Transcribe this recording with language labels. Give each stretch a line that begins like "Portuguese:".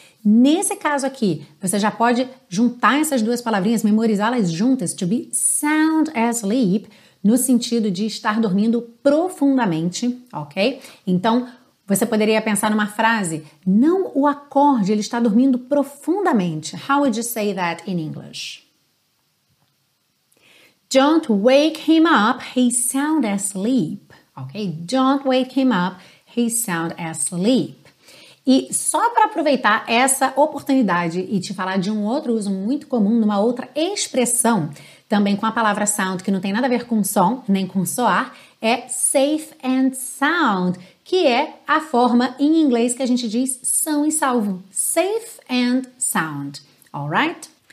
Portuguese: Nesse caso aqui, você já pode juntar essas duas palavrinhas, memorizá-las juntas,
English: to be sound asleep,
Portuguese: no sentido de estar dormindo profundamente, ok? Então, você poderia pensar numa frase, não o acorde, ele está dormindo profundamente.
English: How would you say that in English? Don't wake him up, he's sound asleep. Ok? Don't wake him up, he's sound asleep.
Portuguese: E só para aproveitar essa oportunidade e te falar de um outro uso muito comum, numa outra expressão, também com a palavra sound, que não tem nada a ver com som, nem com soar, é safe and sound, que é a forma em inglês que a gente diz são e salvo.
English: Safe and sound, alright?